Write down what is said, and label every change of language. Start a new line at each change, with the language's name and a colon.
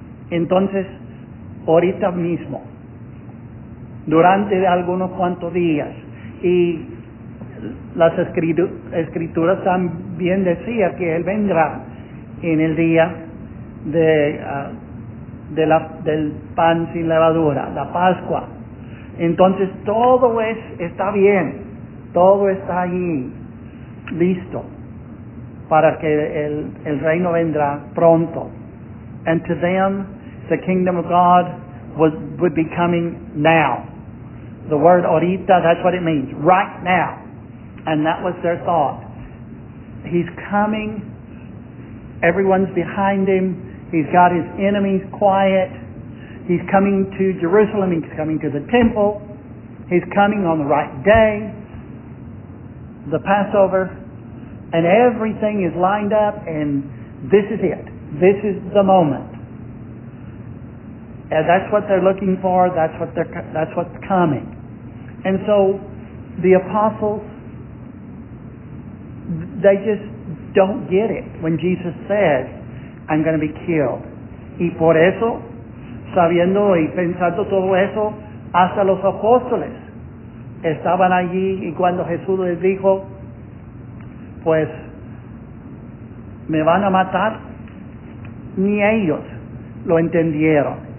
Spanish: Entonces, ahorita mismo, durante algunos cuantos días, y las escrituras también decía que él vendrá en el día del pan sin levadura, la Pascua. Entonces todo está bien, todo está ahí listo para que el reino vendrá pronto.
English: And to them the kingdom of God would be coming now. The word ahorita, that's what it means, right now. And that was their thought. He's coming. Everyone's behind him. He's got his enemies quiet. He's coming to Jerusalem. He's coming to the temple. He's coming on the right day, the Passover. And everything is lined up, and this is it. This is the moment. And that's what they're looking for. That's what's coming. And so the apostles, they just don't get it when Jesus says, I'm going to be killed.
Spanish: Y por eso, sabiendo y pensando todo eso, hasta los apóstoles estaban allí, y cuando Jesús les dijo, pues, me van a matar, ni ellos lo entendieron.